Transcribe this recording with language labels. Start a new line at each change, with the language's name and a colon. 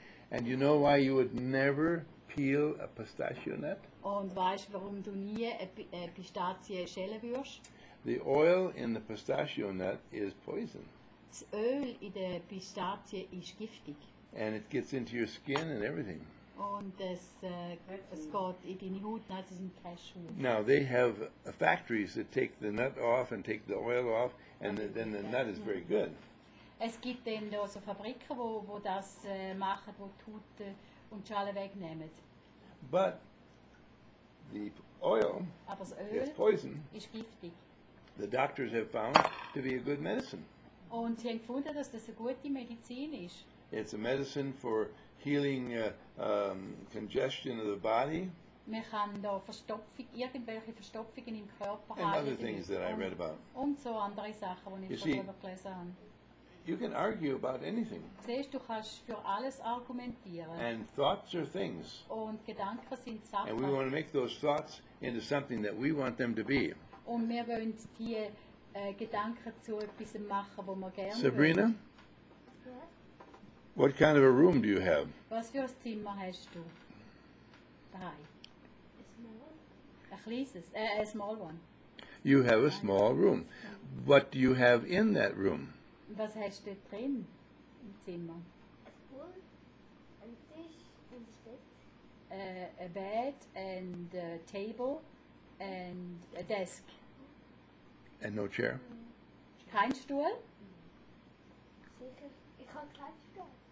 English: And you know why you would never peel a pistachio nut?
German: Und weißt du, warum du nie eine Pistazie schälen würdest?
English: The oil in the pistachio nut is poison.
German: Das Öl in der Pistazie ist giftig.
English: And it gets into your skin and everything.
German: Und das, das geht in deine Haut, das ist ein Cashew.
English: Now they have factories that take the nut off and take the oil off, and then the nut is very good.
German: Es gibt dann da so Fabriken, wo das machen, wo die Haut und Schale wegnehmen.
English: But the oil
German: aber das Öl
English: is poison.
German: Ist giftig.
English: The doctors have found to be a good medicine.
German: Und sie haben gefunden, dass das eine gute Medizin ist.
English: It's a medicine for healing congestion of the body.
German: Man kann da Verstopfung, irgendwelche Verstopfungen im Körper
English: and other things that I read about.
German: Und so andere Sachen, die ich darüber gelesen habe.
English: You can argue about anything.
German: Siehst, du kannst für alles argumentieren.
English: And thoughts are things.
German: Und Gedanken sind Sachen.
English: And we want to make those thoughts into something that we want them to be.
German: Und wir wollen die Gedanken zu etwas machen, wo wir gerne
English: Sabrina?
German: Wollen.
English: What kind of a room do you have?
German: Was für ein Zimmer hast du? Daheim.
Swiss German: A kleines,
English: a small one. You have a small room. What do you have in that room?
German: Was hast du drin im Zimmer? Ein Stuhl, ein Tisch und ein Bett.
English: A bed and a table and a desk. And no chair?
German: Kein Stuhl? Sicher, ich habe keinen Stuhl.